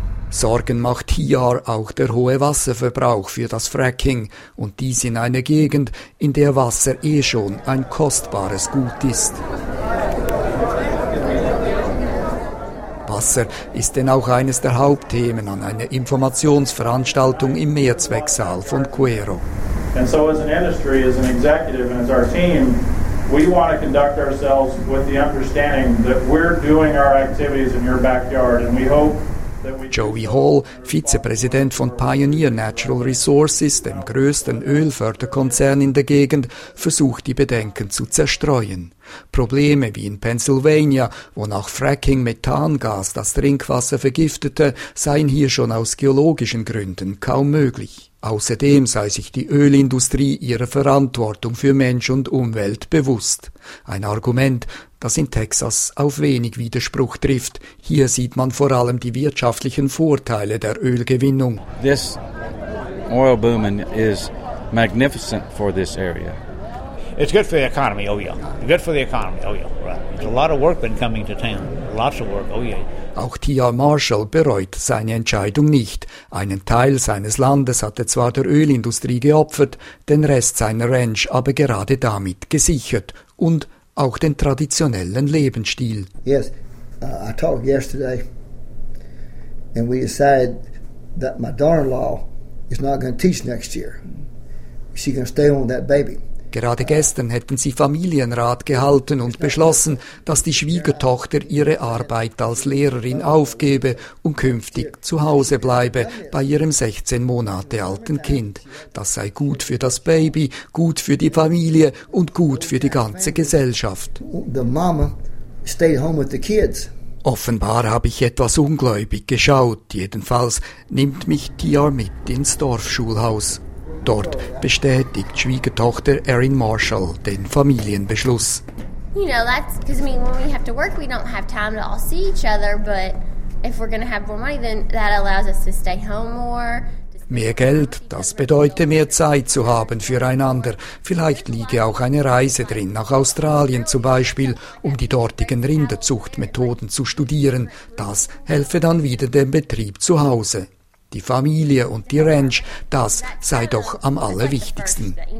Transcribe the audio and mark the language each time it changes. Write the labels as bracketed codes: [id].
[de] Sorgen macht hier auch der hohe Wasserverbrauch für das Fracking und dies in einer Gegend, in der Wasser eh schon ein kostbares Gut ist. Wasser ist denn auch eines der Hauptthemen an einer Informationsveranstaltung im Mehrzwecksaal von Cuero. [en] And so as an industry, as an executive and as our team, we want to conduct ourselves with the understanding that we're doing our activities in your backyard and we hope. [de] Joey Hall, Vizepräsident von Pioneer Natural Resources, dem größten Ölförderkonzern in der Gegend, versucht die Bedenken zu zerstreuen. Probleme wie in Pennsylvania, wo nach Fracking Methangas das Trinkwasser vergiftete, seien hier schon aus geologischen Gründen kaum möglich. Außerdem sei sich die Ölindustrie ihrer Verantwortung für Mensch und Umwelt bewusst. Ein Argument, das in Texas auf wenig Widerspruch trifft. Hier sieht man vor allem die wirtschaftlichen Vorteile der Ölgewinnung. [en] This oil boom is magnificent for this area. It's good for the economy, oh yeah. Good for the economy, oh yeah. Right. It's a lot of work been coming to town. Lots of work, oh yeah. [de] Auch T.R. Marshall bereut seine Entscheidung nicht. Einen Teil seines Landes hat er zwar der Ölindustrie geopfert, den Rest seiner Ranch aber gerade damit gesichert und auch den traditionellen Lebensstil. [en] Yes, I talked yesterday and we decided that my daughter-in-law is not going to teach next year. She's going to stay on that baby. [de] Gerade gestern hätten sie Familienrat gehalten und beschlossen, dass die Schwiegertochter ihre Arbeit als Lehrerin aufgebe und künftig zu Hause bleibe bei ihrem 16 Monate alten Kind. Das sei gut für das Baby, gut für die Familie und gut für die ganze Gesellschaft. [en] The mama stayed home with the kids. [de] Offenbar habe ich etwas ungläubig geschaut. Jedenfalls nimmt mich Tiar mit ins Dorfschulhaus. Dort bestätigt Schwiegertochter Erin Marshall den Familienbeschluss. [en] You know, that's because I mean, when we have to work, we don't have time to all see each other. But if we're going to have more money, then that allows us to stay home more. [de] Mehr Geld, das bedeutet mehr Zeit zu haben füreinander. Vielleicht liege auch eine Reise drin, nach Australien zum Beispiel, um die dortigen Rinderzuchtmethoden zu studieren. Das helfe dann wieder dem Betrieb zu Hause. Die Familie und die Ranch, das sei doch am allerwichtigsten.